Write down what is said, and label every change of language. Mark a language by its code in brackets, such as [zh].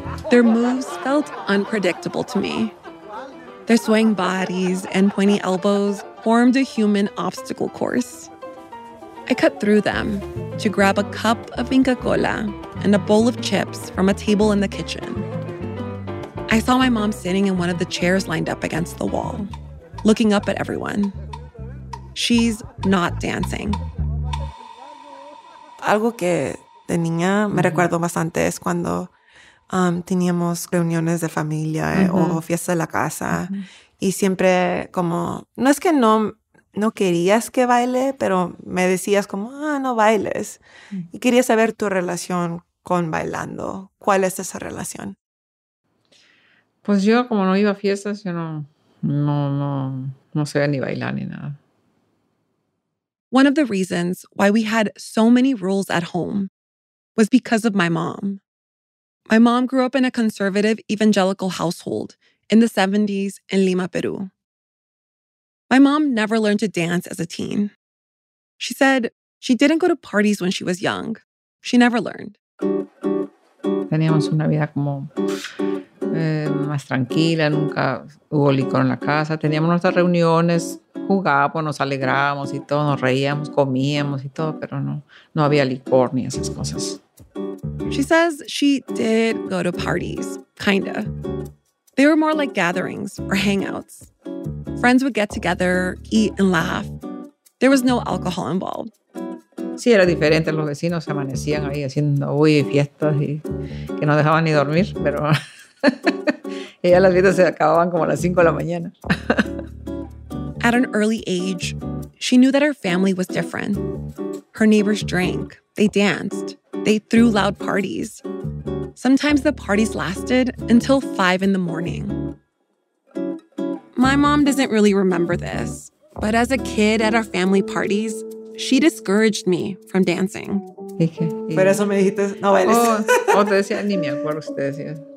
[en] Their moves felt unpredictable to me. Their swaying bodies and pointy elbows formed a human obstacle course. I cut through them to grab a cup of Inca Kola and a bowl of chips from a table in the kitchen. I saw my mom sitting in one of the chairs lined up against the wall, looking up at everyone. She's not dancing. [es] Algo que de niña me recuerdo bastante es cuando teníamos reuniones de familia o fiestas de la casa. Y siempre como, no es que no querías que baile, pero me decías como, no bailes. Y quería saber tu relación con bailando. ¿Cuál es esa relación? Pues yo como no iba a fiestas, yo no sabía ni bailar ni nada. [en] One of the reasons why we had so many rules at home was because of my mom. My mom grew up in a conservative evangelical household in the 70s in Lima, Peru. My mom never learned to dance as a teen. She said she didn't go to parties when she was young. She never learned. [es] Teníamos una vida como más tranquila, nunca hubo licor en la casa. Teníamos nuestras reuniones, jugábamos, nos alegrábamos y todo, nos reíamos, comíamos y todo, pero no había licor ni esas cosas. [en] She says she did go to parties, kinda. They were more like gatherings or hangouts. Friends would get together, eat and laugh. There was no alcohol involved. [es] Sí, era diferente. Los vecinos se amanecían ahí haciendo uy, fiestas y que no dejaban ni dormir, pero ya las fiestas se acababan como a las 5 de la mañana. [en] At an early age, she knew that her family was different. Her neighbors drank, they danced, they threw loud parties. Sometimes the parties lasted until 5 in the morning. My mom doesn't really remember this, but as a kid at our family parties, she discouraged me from dancing. [es] Por eso me dijiste, no bailes. O te decía, ni me acuerdo si te decía.